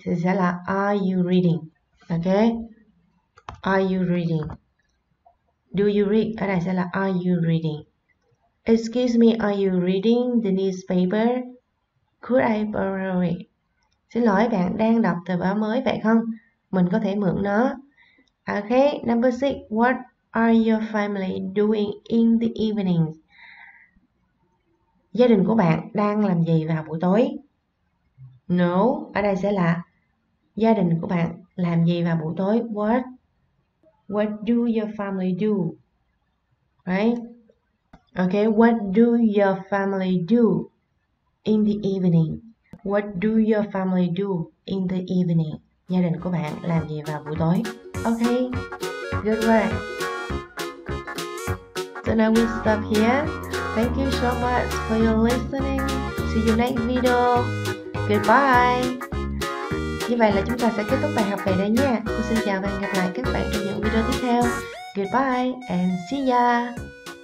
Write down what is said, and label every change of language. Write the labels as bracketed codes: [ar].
[vi] Thì sẽ là [en] are you reading? Ok, are you reading? Do you read? [vi] Ở đây sẽ là [en] are you reading? Excuse me, are you reading the newspaper? Could I borrow it? [vi] Xin lỗi, bạn đang đọc tờ báo mới phải không? Mình có thể mượn nó. Ok, [en] number six. What are your family doing in the evening? [vi] Gia đình của bạn đang làm gì vào buổi tối? No, ở đây sẽ là gia đình của bạn làm gì vào buổi tối? [en] What do your family do? Right? Okay, what do your family do in the evening? What do your family do in the evening? [vi] Gia đình của bạn làm gì vào buổi tối? [en] Okay, good work. So now we stop here. Thank you so much for your listening. See you next video. Goodbye. [vi] Như vậy là chúng ta sẽ kết thúc bài học về đây nha. Cô xin chào và hẹn gặp lại các bạn trong những video tiếp theo. [en] Goodbye and see ya.